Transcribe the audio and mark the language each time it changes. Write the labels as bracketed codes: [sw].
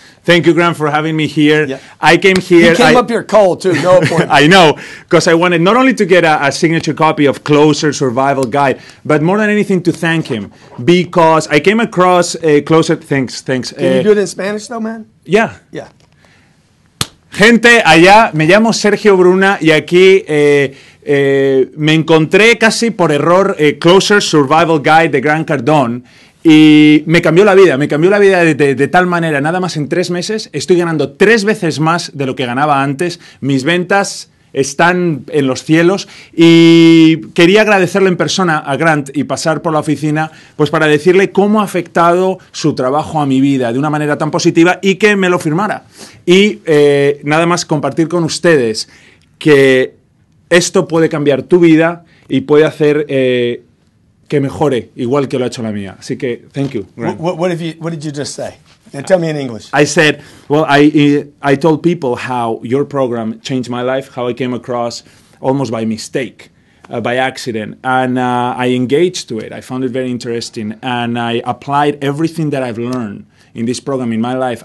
[en] Thank you, Grant, for having me here. Yeah. I came here. You came up here cold, too. No appointment. I know, because I wanted not only to get a signature copy of Closer Survival Guide, but more than anything to thank him, because I came across a Closer. Thanks. Can you do it in Spanish, though, man? Yeah. [es] Gente, allá, me llamo Sergio Bruna, y aquí me encontré casi por error Closer Survival Guide de Grant Cardone. Y me cambió la vida de tal manera. Nada más en 3 meses estoy ganando 3 veces más de lo que ganaba antes. Mis ventas están en los cielos. Y quería agradecerle en persona a Grant y pasar por la oficina pues para decirle cómo ha afectado su trabajo a mi vida de una manera tan positiva y que me lo firmara. Y nada más compartir con ustedes que esto puede cambiar tu vida y puede hacer... que mejore, igual que lo ha hecho la mía. Así que, [en] thank you. What did you just say? And tell me in English. I said, well, I told people how your program changed my life, how I came across almost by mistake, by accident. And I engaged to it. I found it very interesting. And I applied everything that I've learned in this program in my life.